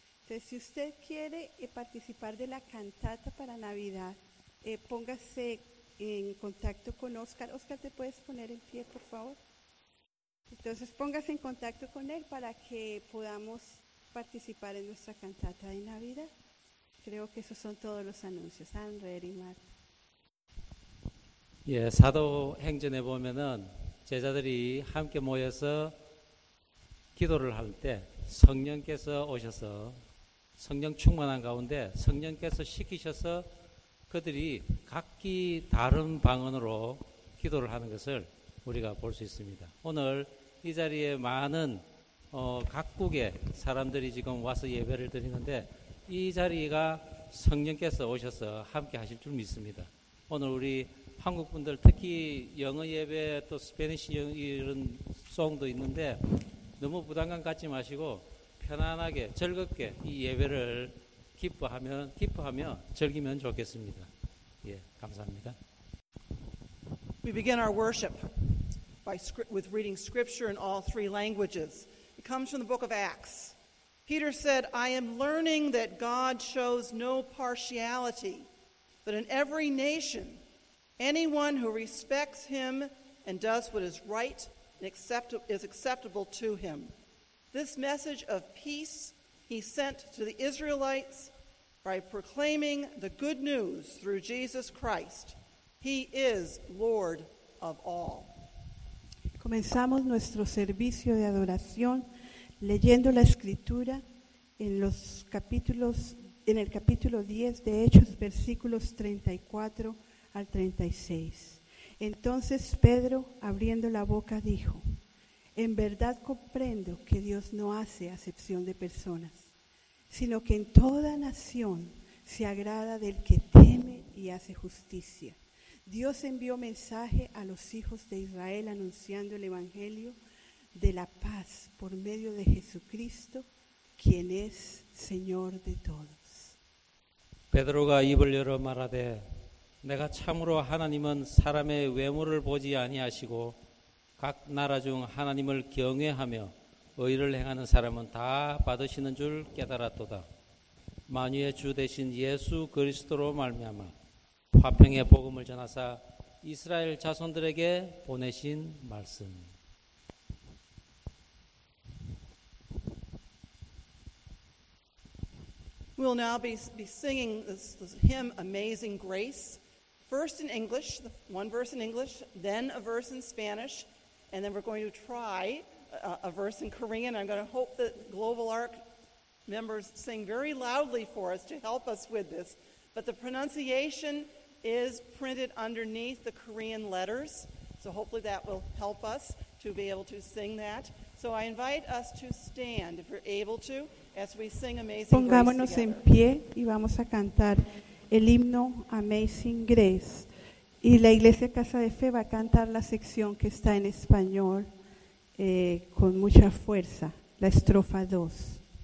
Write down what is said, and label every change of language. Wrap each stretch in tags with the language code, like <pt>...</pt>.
<es>Entonces, si usted quiere participar de la cantata para Navidad, póngase en contacto con Oscar. Oscar, ¿te puedes poner en pie, por favor? Entonces, póngase en contacto con él para que podamos participar en nuestra cantata de Navidad. Creo que esos son todos los anuncios.</es> <en>I'm ready, Mark.</en> <ko>예, 사도행전에 보면은 제자들이 함께 모여서 기도를 할 때 성령께서 오셔서 성령 충만한 가운데 성령께서 시키셔서 그들이 각기 다른 방언으로 기도를 하는 것을 우리가 볼 수 있습니다. 오늘 이 자리에 많은 각국의 사람들이 지금 와서 예배를 드리는데 이 자리가 성령께서 오셔서 함께 하실 줄 믿습니다. 오늘 우리 한국분들 특히 영어 예배 또 스페니쉬 이런 송도 있는데 너무 부담감 갖지 마시고 편안하게 즐겁게 이 예배를 기뻐하며 즐기면 좋겠습니다. 예, 감사합니다.</ko> <en>We begin our worship with reading scripture in all three languages. It comes from the book of Acts. Peter said, I am learning that God shows no partiality, but in every nation, anyone who respects him and does what is right and is acceptable to him. This message of peace he sent to the Israelites by proclaiming the good news through Jesus Christ. He is Lord of all.</en> <es>Comenzamos nuestro servicio de adoración leyendo la escritura en los capítulos, en el capítulo 10 de Hechos, versículos 34 al 36. Entonces Pedro, abriendo la boca, dijo: en verdad comprendo que Dios no hace acepción de personas, sino que en toda nación se agrada del que teme y hace justicia. Dios envió mensaje a los hijos de Israel anunciando el evangelio de la paz por medio de Jesucristo, quien es Señor de todos.</es> <ko>Pedro가 입을 열어 말하되 내가 참으로 하나님은 사람의 외모를 보지 아니하시고 각 나라 중 하나님을 경외하며 의를 행하는 사람은 다 받으시는 줄 깨달았도다. 만유의 주 되신 예수 그리스도로 말미암아 화평의 복음을 전하사 이스라엘 자손들에게 보내신 말씀.</ko> <en>We'll now be singing this hymn, Amazing Grace. First in English, one verse in English, then a verse in Spanish, and then we're going to try a verse in Korean. I'm going to hope that Global Ark members sing very loudly for us to help us with this. But the pronunciation is printed underneath the Korean letters, so hopefully that will help us to be able to sing that. So I invite us to stand, if you're able to, as we sing Amazing Grace together.</en> <es>Pongámonos en pie y vamos a cantar el himno Amazing Grace. Y la Iglesia Casa de Fe va a cantar la sección que está en español con mucha fuerza, la estrofa 2.</es>